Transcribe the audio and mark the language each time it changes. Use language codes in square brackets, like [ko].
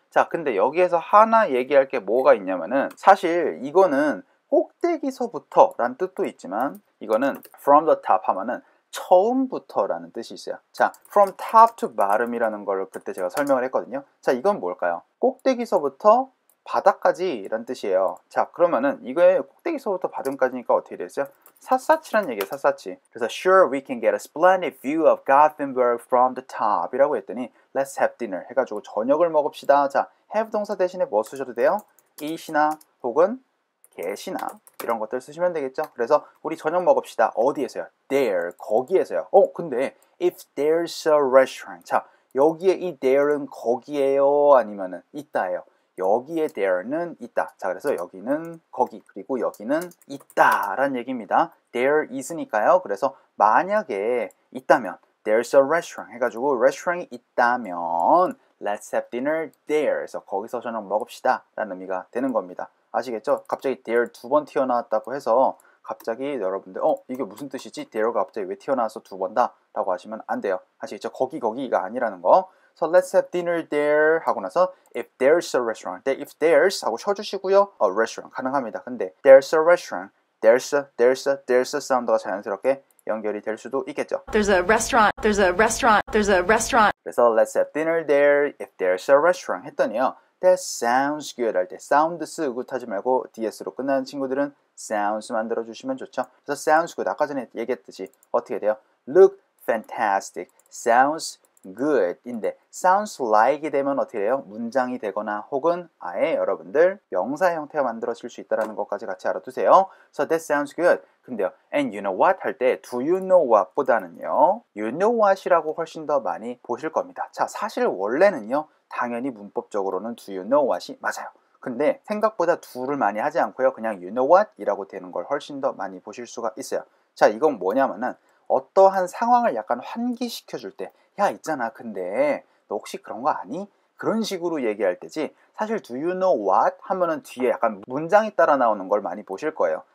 [ko] 자, 근데 여기에서 하나 얘기할 게 뭐가 있냐면은 사실 이거는 꼭대기서부터 라는 뜻도 있지만 이거는 from the top 하면은 처음부터 라는 뜻이 있어요. 자, from top to bottom 이라는 걸 그때 제가 설명을 했거든요. 자, 이건 뭘까요? 꼭대기서부터 바닥까지 라는 뜻이에요. 자, 그러면은 이거에 꼭대기서부터 바닥까지니까 어떻게 되겠어요? 샅샅이란 얘기예요. 샅샅이. [en] 그래서 sure we can get a splendid view of Gothenburg from the top 이라고 했더니 let's have dinner [ko] 해가지고 저녁을 먹읍시다. 자, have 동사 대신에 뭐 쓰셔도 돼요? eat이나 혹은 get이나 이런 것들 쓰시면 되겠죠. 그래서 우리 저녁 먹읍시다. 어디에서요? there 거기에서요. 어, 근데 if there's a restaurant 자, 여기에 이 there은 거기에요? 아니면은 있다예요? 여기에 there는 있다. 자, 그래서 여기는 거기, 그리고 여기는 있다 라는 얘기입니다. there is니까요. 그래서 만약에 있다면 there's a restaurant 해가지고 restaurant이 있다면 [en] let's have dinner there [ko] 해서 거기서 저녁 먹읍시다 라는 의미가 되는 겁니다. 아시겠죠? 갑자기 there 두 번 튀어나왔다고 해서 갑자기 여러분들 어? 이게 무슨 뜻이지? there가 갑자기 왜 튀어나와서 두 번다? 라고 하시면 안 돼요. 아시겠죠? 거기가 아니라는 거. [en] So let's have dinner there [ko] 하고 나서 [en] if there's a restaurant, if there's 하고 쳐주시고요. A restaurant 가능합니다. [ko] 근데 there's a restaurant, there's a 사운드가 자연스럽게 연결이 될 수도 있겠죠. [en] There's a restaurant, there's a restaurant, there's a restaurant. 그래서 let's have dinner there if there's a restaurant [ko] 했더니요. That sounds good 할 때 sounds good 하지 말고 ds로 끝나는 친구들은 sounds 만들어주시면 좋죠. 그래서 sounds good 아까 전에 얘기했듯이 어떻게 돼요? [en] Look fantastic, sounds good 인데 sounds like이 되면 어떻게 돼요? [ko] 문장이 되거나 혹은 아예 여러분들 명사 형태가 만들어질 수 있다는 것까지 같이 알아두세요. [en] So that sounds good. [ko] 근데요, and you know what 할 때 do you know what 보다는요 you know what이라고 훨씬 더 많이 보실 겁니다. 자, 사실 원래는요 당연히 문법적으로는 do you know what이 맞아요. 근데 생각보다 do를 많이 하지 않고요. 그냥 you know what 이라고 되는 걸 훨씬 더 많이 보실 수가 있어요. 자, 이건 뭐냐면은 어떠한 상황을 약간 환기시켜줄 때 야, 있잖아. 근데 너 혹시 그런 거 아니? 그런 식으로 얘기할 때지 사실 do you know what 하면은 뒤에 약간 문장이 따라 나오는 걸 많이 보실 거예요.